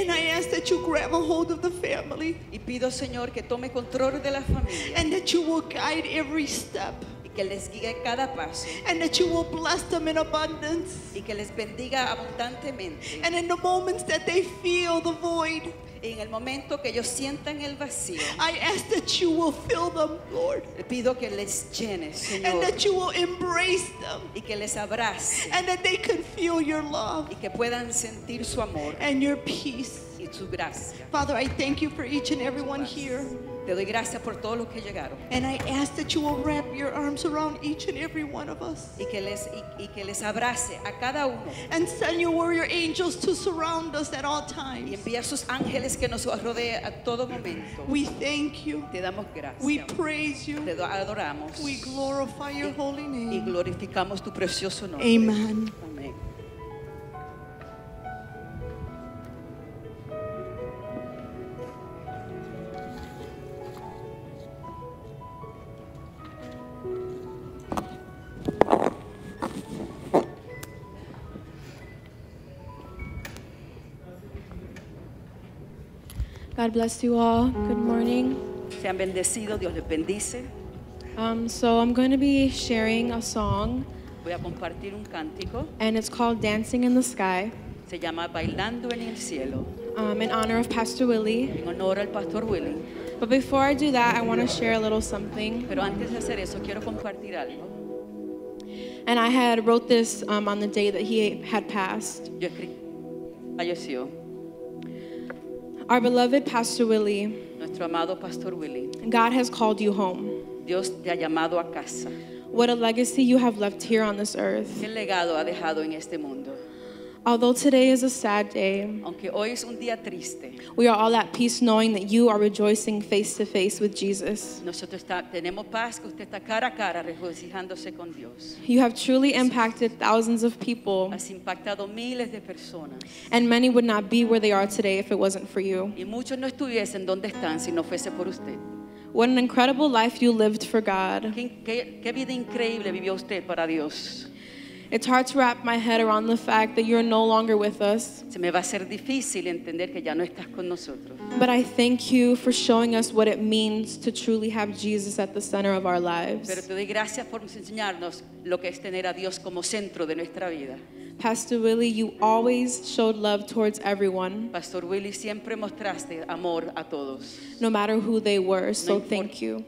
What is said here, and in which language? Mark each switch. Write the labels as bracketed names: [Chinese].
[English] And I ask that you grab a hold of the family. [Spanish] Y pido, Señor, que tome control de la familia. [English] And that you will guide every step. [Spanish] Y que les guíe cada paso. [English] And that you will bless them in abundance. [Spanish] Y que les bendiga abundantemente. [English] And in the moments that they feel the void. [Spanish] En el momento que ellos sientan el vacío, [English] I ask that you will fill them, Lord. [Spanish] Le pido que les llenes, Señor. [English] And that you will embrace them. [Spanish] Y que les abrace. [English] And that they can feel your love. [Spanish] Y que puedan sentir su amor. [English] And your peace. [Spanish] Y su gracia. [English] Father, I thank you for each and everyone here. [Spanish] Te doy gracias por todos los que llegaron. [English] And I ask that you will wrap your arms around each and every one of us. [Spanish] Y que les abrace a cada uno. [English] And send your warrior angels to surround us at all times. [Spanish] Y envía sus ángeles que nos rodee a todo momento. [English] We thank you. [Spanish] Te damos gracias. [English] We praise you. [Spanish] Te adoramos. [English] We glorify your holy name. [Spanish] Y glorificamos tu precioso nombre. [English] Amen. God bless you all. Good morning. [Spanish] Sean bendecidos. Dios les bendice. [English] So I'm going to be sharing a song. [Spanish] Voy a compartir un cántico. [English] And it's called Dancing in the Sky. [Spanish] Se llama Bailando en el Cielo. [English] In honor of Pastor Willie. [Spanish] En honor al Pastor Willie. [English] But before I do that, I want to share a little something. [Spanish] Pero antes de hacer eso, quiero compartir algo. [English] And I had wrote this on the day that he had passed. [Spanish] Yo escribí. Falleció. [English] Our beloved Pastor Willie, [Spanish] nuestro amado Pastor Willie, [English] God has called you home. [Spanish] Dios te ha llamado a casa. [English] What a legacy you have left here on this earth. [Spanish] ¿Qué legado ha dejado en este mundo? [English] Although today is a sad day, [Spanish] aunque hoy es un día triste, [English] we are all at peace knowing that you are rejoicing face to face with Jesus. [Spanish] Nosotros tenemos paz que usted está cara a cara regocijándose con Dios. [English] You have truly impacted thousands of people. [Spanish] Has impactado miles de personas. [English] And many would not be where they are today if it wasn't for you. [Spanish] Y muchos no estuviesen donde están si no fuese por usted. [English] What an incredible life you lived for God. [Spanish] ¿Qué vida increíble vivió usted para Dios? [English] It's hard to wrap my head around the fact that you're no longer with us. [Spanish] Se me va a ser difícil entender que ya no estás con nosotros. [English] But I thank you for showing us what it means to truly have Jesus at the center of our lives. [Spanish] Pero te doy gracias por enseñarnos lo que es tener a Dios como centro de nuestra vida. [English] Pastor Willie, you always showed love towards everyone. [Spanish] Pastor Willie, siempre mostraste amor a todos. [English] No matter who they were, so thank you.